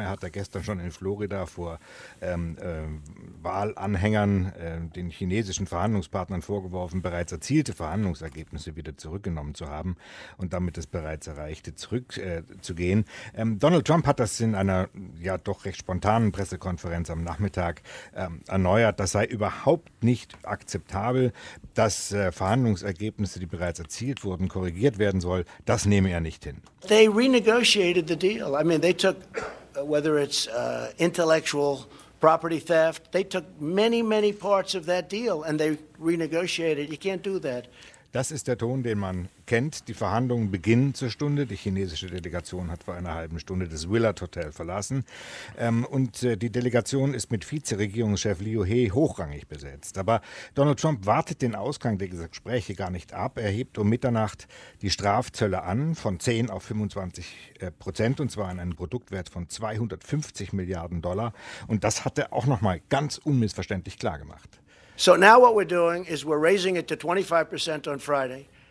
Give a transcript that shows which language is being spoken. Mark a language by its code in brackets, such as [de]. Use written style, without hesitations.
[de] Er hat da gestern schon in Florida vor Wahlanhängern, den chinesischen Verhandlungspartnern vorgeworfen, bereits erzielte Verhandlungsergebnisse wieder zurückgenommen zu haben und damit das bereits Erreichte zurückzugehen. Donald Trump hat das in einer ja doch recht spontanen Pressekonferenz am Nachmittag erneuert. Das sei überhaupt nicht akzeptabel, dass Verhandlungsergebnisse, die bereits erzielt wurden, korrigiert werden soll, das nehme er nicht hin. [en] They renegotiated the deal. I mean, they took, whether it's intellectual property theft, they took many, many parts of that deal and they renegotiated. You can't do that. [de] Das ist der Ton, den man kennt. Die Verhandlungen beginnen zur Stunde. Die chinesische Delegation hat vor einer halben Stunde das Willard Hotel verlassen. Und die Delegation ist mit Vizeregierungschef Liu He hochrangig besetzt. Aber Donald Trump wartet den Ausgang der Gespräche gar nicht ab. Er hebt um Mitternacht die Strafzölle an von 10% auf 25%, und zwar in einem Produktwert von $250 Milliarden. Und das hat er auch noch mal ganz unmissverständlich klargemacht. [en] So now what we're doing is we're raising it to 25% on Friday.